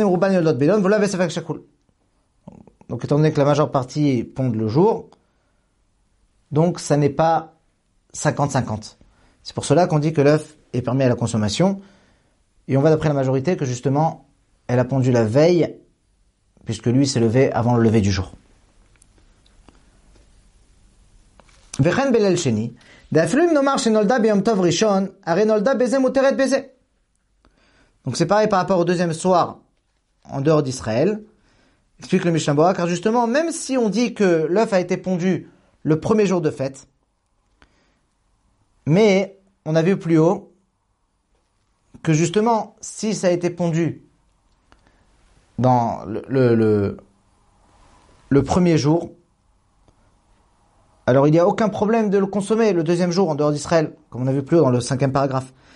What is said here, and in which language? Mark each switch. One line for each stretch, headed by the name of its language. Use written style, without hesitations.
French: Donc étant donné que la majeure partie pond le jour, donc ça n'est pas 50-50. C'est pour cela qu'on dit que l'œuf est permis à la consommation. Et on va d'après la majorité que justement, elle a pondu la veille, puisque lui s'est levé avant le lever du jour.
Hebrew: וכן בליל שני, ואפילו אם נאמר שנולדה ביום טוב ראשון, הרי נולדה בזה מותרת בזה.
French: Donc c'est pareil par rapport au deuxième soir en dehors d'Israël, explique le Mishnah Berurah, car justement, même si on dit que l'œuf a été pondu le premier jour de fête, mais on a vu plus haut que justement, si ça a été pondu dans le premier jour, alors il n'y a aucun problème de le consommer le deuxième jour en dehors d'Israël, comme on a vu plus haut dans le cinquième paragraphe.